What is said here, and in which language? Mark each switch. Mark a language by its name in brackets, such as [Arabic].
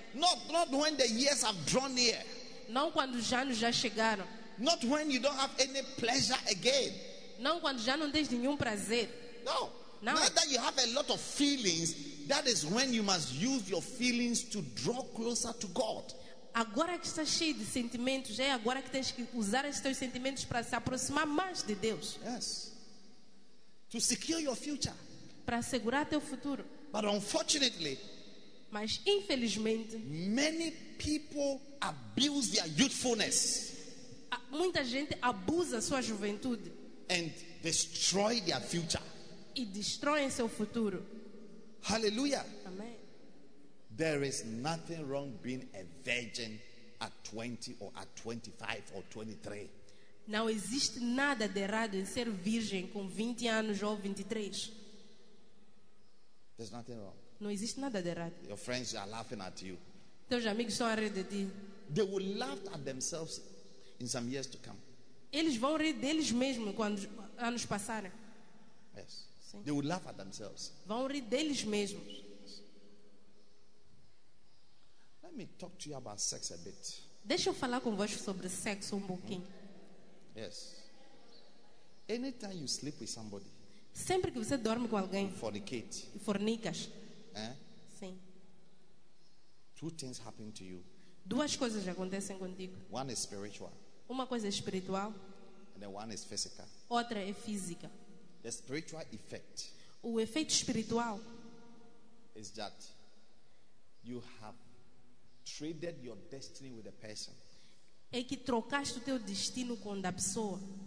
[English] Not when the years have drawn near. [Portuguese] Não quando os anos já chegaram. [English] Not when you don't have any pleasure again. [Portuguese] Não quando já não tens nenhum prazer. [English] No. Now that you have a lot of feelings, that is when you must use your feelings to draw closer to God. [Portuguese] Agora que estás cheio de sentimentos, é agora que tens que usar esses teus sentimentos para se aproximar mais de Deus. [English] Yes. To secure your future. [Portuguese] Para assegurar teu futuro. [English] But unfortunately, [Portuguese] mas infelizmente, [English] many people abuse their youthfulness. [Portuguese] Muita gente abusa sua juventude. [English] And destroy their future. [Portuguese] E destroem seu futuro. [English] Hallelujah. [Portuguese] Amém. [English] There is nothing wrong being a virgin at 20 or at 25 or 23. [Portuguese] Não existe nada de errado em ser virgem com 20 anos ou 23. [English] There's nothing wrong. [Portuguese] Não existe nada de errado. [English] Your friends are laughing at you. [Portuguese] Teus amigos estão a rir de ti. [English] They will laugh at themselves in some years to come. [Portuguese] Eles vão rir deles mesmos quando anos passarem. [English] Yes. [Portuguese] Sim. [English] They will laugh at themselves. [Portuguese] Vão rir deles mesmos. [English] Let me talk to you about sex a bit. [Portuguese] Deixa eu falar convosco sobre sexo pouquinho. [English] Yes. Anytime you sleep with somebody. [Portuguese] Sempre que você dorme com alguém. [English] You fornicate. [Portuguese] E fornicas. Eh? Sim. [English] Two things happen to you. [Portuguese] Duas coisas acontecem contigo. [English] One is spiritual. [Portuguese] Uma coisa é espiritual. [English] And then one is physical. [Portuguese] Outra é física. [English] The spiritual effect. [Portuguese] O efeito espiritual. [English] Is that you have traded your destiny with a person. [Portuguese] É que trocaste o teu destino com a pessoa.